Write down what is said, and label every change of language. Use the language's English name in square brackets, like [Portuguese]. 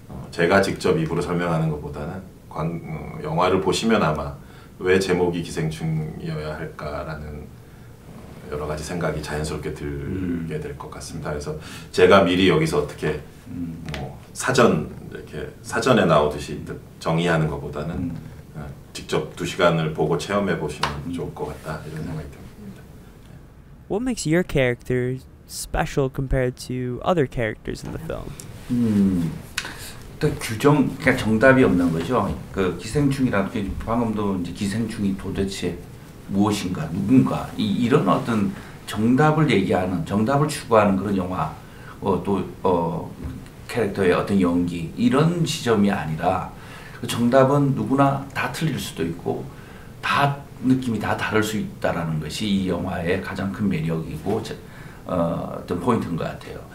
[Korean] 제가 직접 입으로 설명하는 것보다는 영화를 보시면 아마 왜 제목이 기생충이어야 할까라는 여러 가지 생각이 자연스럽게 들게 될 것 같습니다. 그래서 제가 미리 여기서 어떻게 뭐 사전 이렇게 사전에 나오듯이 정의하는 것보다는 직접 두 시간을 보고 체험해 보시면 좋을 것 같다 이런 생각이 듭니다. [English] What makes your character special compared to other characters in the film? [Korean] 또 규정, 그러니까 정답이 없는 거죠. 그 기생충이라든지 방금도 이제 기생충이 도대체 무엇인가, 누군가 이런 어떤 정답을 얘기하는, 정답을 추구하는 그런 영화 또 캐릭터의 어떤 연기 이런 지점이 아니라 그 정답은 누구나 다 틀릴 수도 있고 다 느낌이 다 다를 수 있다라는 것이 이 영화의 가장 큰 매력이고 어떤 포인트인 것 같아요.